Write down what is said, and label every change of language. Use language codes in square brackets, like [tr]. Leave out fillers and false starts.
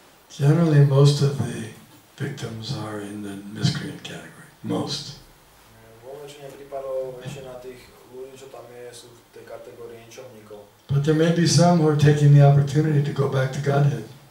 [en] Generally most of the victims are in the miscreant category. Most. [sk] Vo väčšine prípadov väčšina tých ľudí, čo tam je, sú v tej kategórii ničovníkov. [en] But there may be some who are taking the opportunity to go back to Godhead.